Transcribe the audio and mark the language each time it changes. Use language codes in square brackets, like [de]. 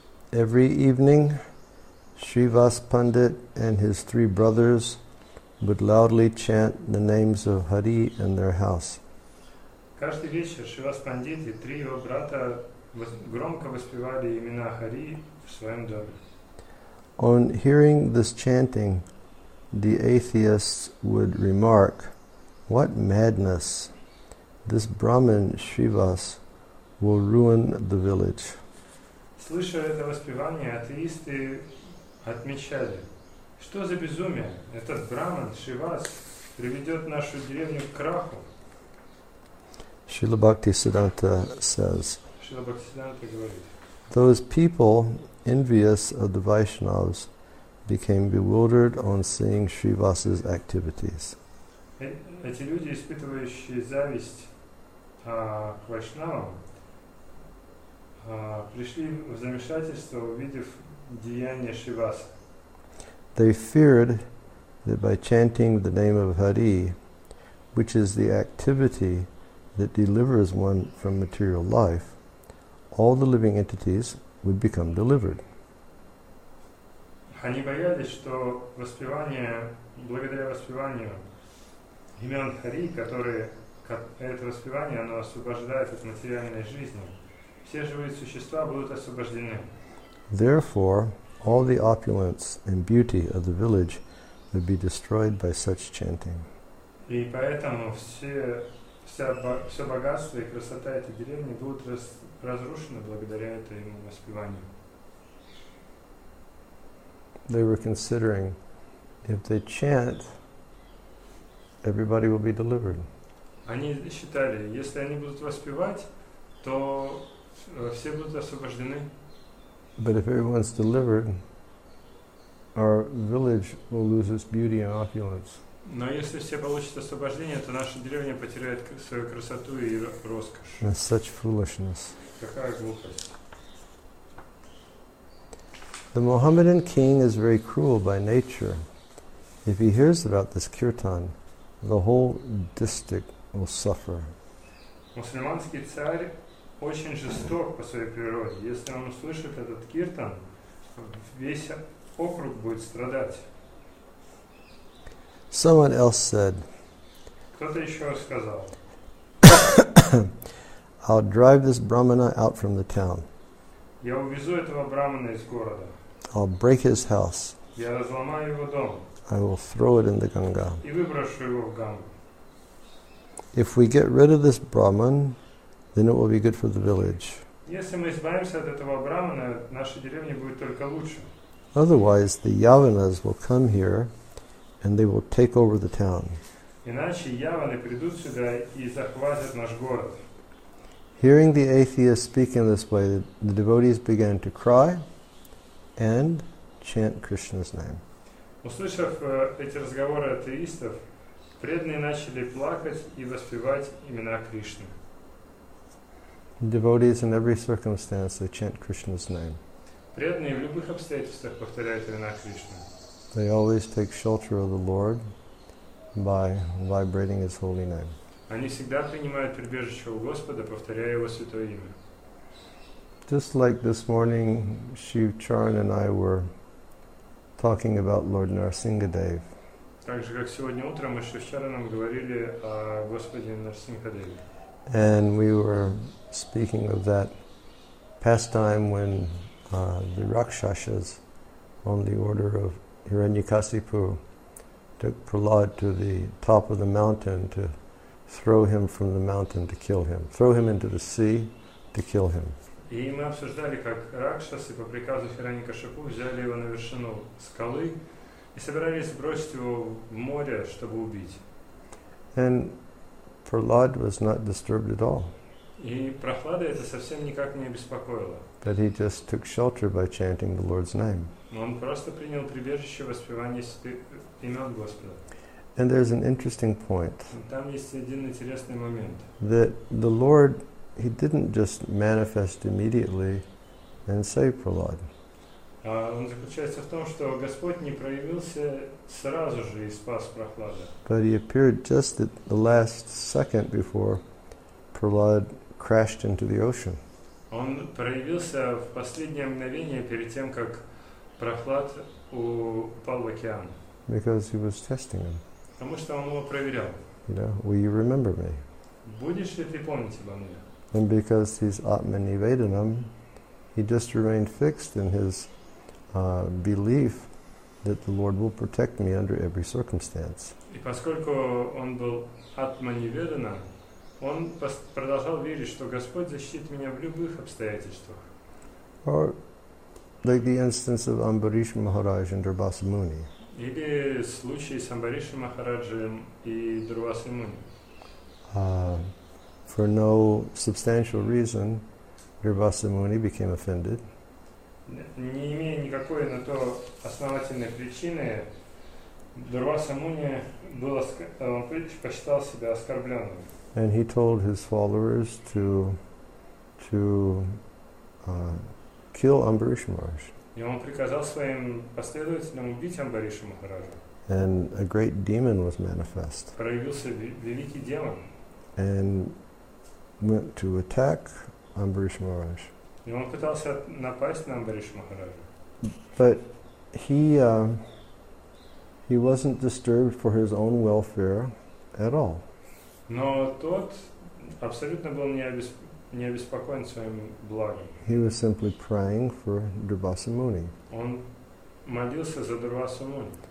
[en] Every evening, Srivas Pandit and his three brothers would loudly chant the names of Hari in their house. [ru] Каждый вечер Шривас Пандит и три его брата громко воспевали имена Хари в своем доме. [en] On hearing this chanting, the atheists would remark, What madness! This Brahmin Srivas will ruin the village. [ru] Слыша это воспевание, атеисты отмечали, что за безумие, этот Брахман Шривас приведет нашу деревню к краху. [en] Шрила Бхакти Сиддханта says, [ru] Шрила Бхакти Сиддханта говорит, [en] Those people, envious of the Vaishnavas, became bewildered on seeing Srivas's activities. [ru] Эти люди, испытывающие зависть к Вайшнавам, пришли в замешательство, увидев деяния Шриваса. [en] They feared that by chanting the name of Hari, which is the activity that delivers one from material life, all the living entities would become delivered. [ru] Они боялись, что воспевание, благодаря воспеванию, имен Хари, которые это воспевание, оно освобождает от материальной жизни. Все живые существа будут освобождены. [en] Therefore, all the opulence and beauty of the village would be destroyed by such chanting. [ru] И поэтому все богатство и красота этой деревни будут разрушены благодаря этому воспеванию. [en] They were considering, if they chant, everybody will be delivered. [ru] Они считали, если они будут воспевать, то все будут освобождены. [en] But if everyone's delivered, our village will lose its beauty and opulence. [ru] Но если все получат освобождение, то наша деревня потеряет свою красоту и роскошь. [en] That's such foolishness. [ru] Какая глупость. [en] The Mohammedan king is very cruel by nature. If he hears about this kirtan, the whole district will suffer. [ru] Мусульманский царь очень жесток по своей природе. Если он услышит этот киртан, весь округ будет страдать. [en] Someone else said, [ru] Кто-то еще сказал, [en] I'll drive this brahmana out from the town. [ru] Я увезу этого брахмана из города. [en] I'll break his house. [ru] Я разломаю его дом. [en] I will throw it in the Ganga. [ru] И выброшу его в Гангу. [en] If we get rid of this Brahman, then it will be good for the village. [ru] Если мы избавимся от этого Брахмана, наша деревня будет только лучше. [en] Otherwise, the Yavanas will come here and they will take over the town. [ru] Иначе Яваны придут сюда и захватят наш город. [en] Hearing the atheists speak in this way, the devotees began to cry and chant Krishna's name. [ru] Услышав эти разговоры атеистов, преданные начали плакать и воспевать имена Кришны. [en] Devotees in every circumstance, they chant Krishna's name. [ru] Преданные в любых обстоятельствах повторяют имена Кришны. [en] They always take shelter of the Lord by vibrating His holy name. [ru] Они всегда принимают прибежище у Господа, повторяя Его святое имя. [en] Just like this morning, Shiv Charan and I were talking about Lord Narasimhadev. [ru] Так же, как сегодня утром, мы с Шив Чараном говорили о Господе Нарсингхадеве. [en] And we were speaking of that pastime when the Rakshasas on the order of Hiranyakasipu took Prahlad to the top of the mountain to throw him from the mountain to kill him, throw him into the sea to kill him. [ru] И мы обсуждали, как Ракшасы по приказу Хираньякашипу взяли его на вершину скалы и собирались бросить его в море, чтобы убить. [en] And Prahlad was not disturbed at all. [ru] И Прохлада это совсем никак не обеспокоило. [en] But he just took shelter by chanting the Lord's name. [ru] Он просто принял прибежище в воспевании имен Господа. [en] And there's an interesting point. [ru] Там есть один интересный момент. [en] That the Lord, he didn't just manifest immediately and save Prahlad. [ru] Он заключается в том, что Господь не проявился сразу же и спас Прохлада. [en] But he appeared just at the last second before Prahlad crashed into the ocean. [ru] Он проявился в последнее мгновение перед тем, как Прохлад упал в океан. [en] Because he was testing him. [ru] Потому что он его проверял. [en] You know, will you remember me? [ru] Будешь ли ты помнить обо мне? [en] And because he's Atmanivedanam, he just remained fixed in his belief that the Lord will protect me under every circumstance. [ru] И поскольку он был Атманиведанам, он продолжал верить, что Господь защитит меня в любых обстоятельствах. [en] Or like the instance of Ambarish Maharaj and Durvasa Muni. [ru] Или случай с Амбаришем Махараджем и Дурвасой Муни. [en] For no substantial reason, Durvasa Muni became offended. [ru] Не имея никакой на то основательной причины, Дурваса Муни был посчитал себя оскорбленным. [en] And he told his followers to kill Ambarish Maharaj. [ru] И он приказал своим последователям убить Амбариша Махараджа. [en] And a great demon was manifest. [ru] Проявился великий демон. [en] And went to attack Ambarish Maharaj. [ru] И он пытался напасть на Амбариша Махараджа. [en] But he wasn't disturbed for his own welfare at all. [ru] Но тот абсолютно был не обеспокоен своим благом. [en] He was simply praying for Durvasa Muni. [ru] Он молился за Дурвасу Муни.